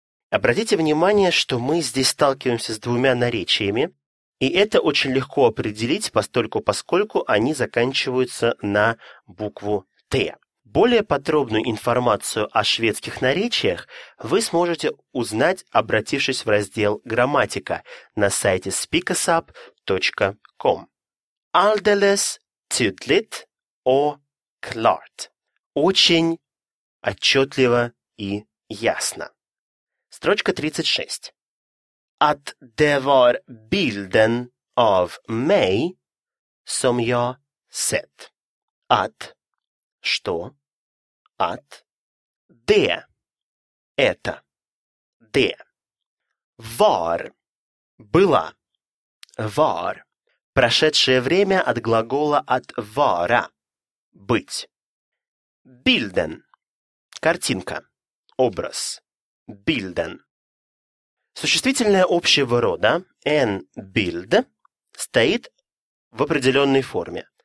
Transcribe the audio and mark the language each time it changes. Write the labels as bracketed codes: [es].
[ru] Обратите внимание, что мы здесь сталкиваемся с двумя наречиями, и это очень легко определить, поскольку они заканчиваются на букву Т. Более подробную информацию о шведских наречиях вы сможете узнать, обратившись в раздел «Грамматика» на сайте speakersup.com. [sv] Alldeles tydligt och klart. [ru] Очень отчетливо и ясно. Строчка 36. [sv] At det var bilden av mig som jag sett. At, [ru] что? [sv] At, det, [ru] это, [sv] det. Var, [ru] была, [sv] var. [ru] Прошедшее время от глагола от вара, быть. Bilden, картинка, образ. [sv] Bilden. [ru] Существительное общего рода en bild стоит в определенной форме.